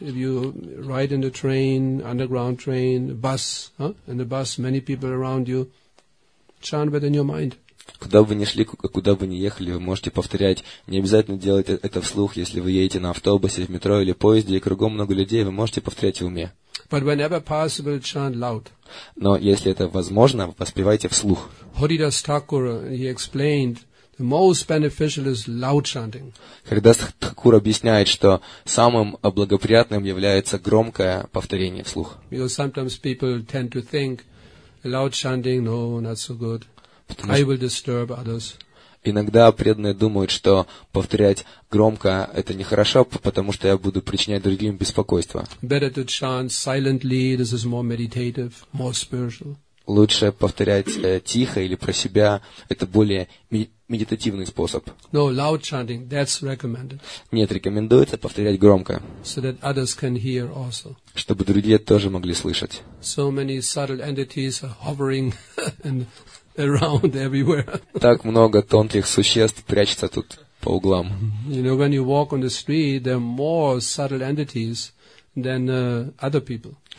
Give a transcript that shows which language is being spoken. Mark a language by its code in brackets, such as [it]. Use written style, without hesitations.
[en] If you ride in the train, underground train, bus, in the bus, many people around you, chant within your mind. [ru] Куда бы ни шли, куда бы ни ехали, вы можете повторять. Не обязательно делать это вслух, если вы едете на автобусе, в метро или поезде, и кругом много людей, вы можете повторять в уме. [en] But whenever possible, chant loud. [ru] Но если это возможно, воспевайте вслух. [en] Bhaktivinoda Thakur, he explained, the most beneficial is loud chanting. [ru] Bhaktivinoda Thakur объясняет, что самым благоприятным является громкое повторение вслух. [en] Because sometimes people tend to think, loud chanting, no, not so good. I will disturb others. [ru] Иногда преданные думают, что повторять громко – это нехорошо, потому что я буду причинять другим беспокойство. [en] Better to chant silently. This is more meditative, more spiritual. [ru] Лучше повторять тихо или про себя – это более медитативный способ. [en] No, loud chanting, that's recommended. [ru] Нет, рекомендуется повторять громко, [en] so that others can hear also. [ru] Чтобы другие тоже могли слышать. [en] So many subtle entities are hovering and around everywhere. [ru] Так много тонких существ прячется тут по углам. [en] You know, when you walk on the street, there are more subtle entities than other people.